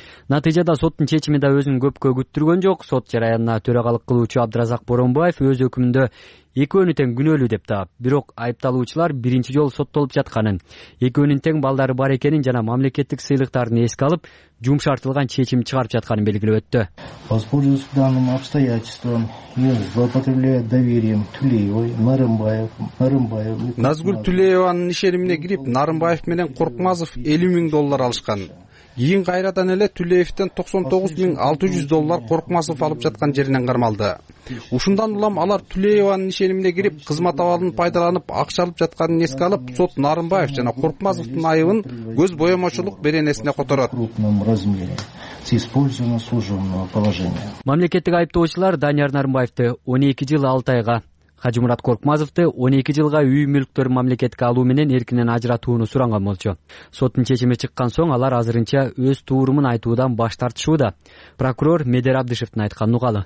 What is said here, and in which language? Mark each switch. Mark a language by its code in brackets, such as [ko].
[ky] Натыйжада соттун чечими да өзүн көпкө күттүргөн жок. Сот жараянына төрагалык кылуучу Абдыразак Боронбаев өз өкүмүндө экөөнү тең күнөөлүү деп таап, бирок айыпталуучулар биринчи жолу соттолуп жатканын, экөөнүн тең балдары бар экенин жана мамлекеттик сыйлыктарын эске алып жумшартылган чечим чыгарып жатканын белгилеп өттү. [ru] Воспользуясь данным обстоятельством, я злоупотребляю доверием Тулеевой, Нарымбаев. [ky] Назгүл Тулеевнин иш эримине кирип, Нарымбаев менен Коркмазов $50,000 алышкан. Кийин кайрадан эле Түлеевтен $99,600 Коркмазов алып жаткан жеринен кармалды. Ушундан улам алар Түлеевнин иш эримине кирип, кызмат абалын пайдаланып акча алып жатканын эске алып, сот Нарымбаев жана Коркмазовдун айыбын көз боемочулук беренесине которот. [ru] С использованием служебного положения. [ky] Мамлекеттик айыптоочулар Данияр Нарымбаевди 12 жыл 6 айга, Кажымурат Коркмазовду 12 жылга үй мүлктөрүн мамлекетке алуу менен эркинен ажыратууну суранган болчу. Соттун чечими чыккан соң алар азырынча өз туурумун айтуудан баш тартышууда. Прокурор Медер Абдышевдин айтканын угалы.